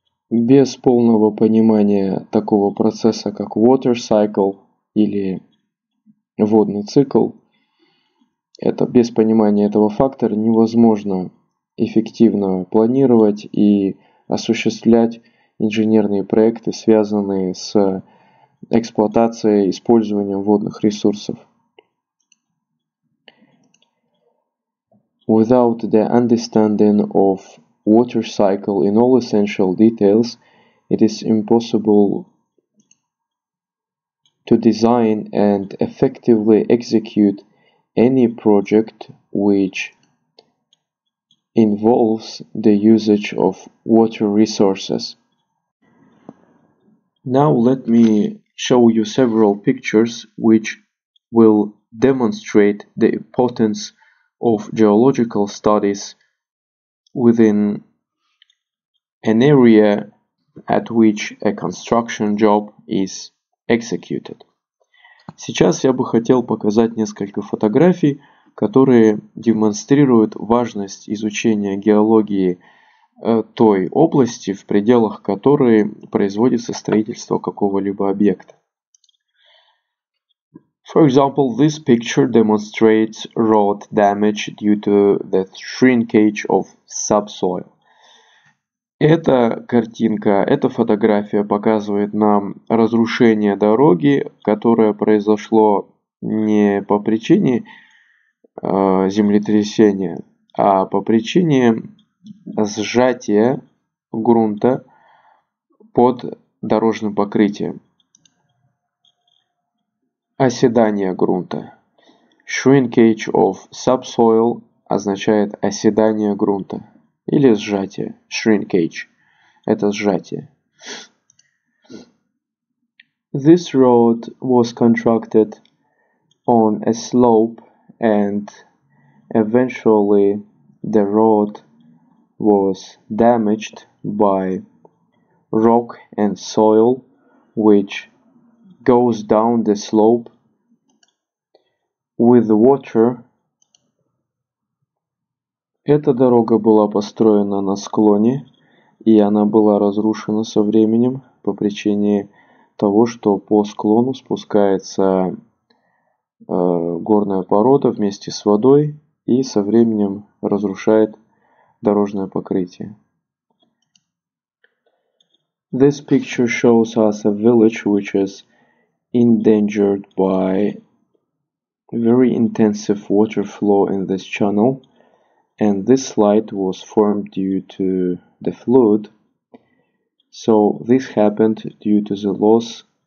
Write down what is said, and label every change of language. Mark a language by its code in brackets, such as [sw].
[ru] Без полного понимания такого процесса, как water cycle или водный цикл, это без понимания этого фактора невозможно эффективно планировать и осуществлять инженерные проекты, связанные с эксплуатацией, использованием водных ресурсов. [en] Without the understanding of water cycle in all essential details, it is impossible to design and effectively execute any project which involves the usage of water resources. Now let me show you several pictures which will demonstrate the importance of geological studies within an area at which a construction job is executed. [ru] Сейчас я бы хотел показать несколько фотографий, которые демонстрируют важность изучения геологии той области, в пределах которой производится строительство какого-либо объекта. [en] For example, this picture demonstrates road damage due to the shrinkage of subsoil. [ru] Эта картинка, эта фотография показывает нам разрушение дороги, которое произошло не по причине землетрясения, а по причине сжатия грунта под дорожным покрытием. Оседание грунта. Shrinkage of subsoil означает оседание грунта. Или сжатие. Shrinkage. Это сжатие. [en] This road was constructed on a slope and eventually the road was damaged by rock and soil which goes down the slope with water. [ru] Эта дорога была построена на склоне, и она была разрушена со временем по причине того, что по склону спускается горная порода вместе с водой и со временем разрушает дорожное покрытие. [en] This picture shows us a village which is endangered by very intensive water flow in this channel, and this slide was formed due to the flood. So this happened due to the loss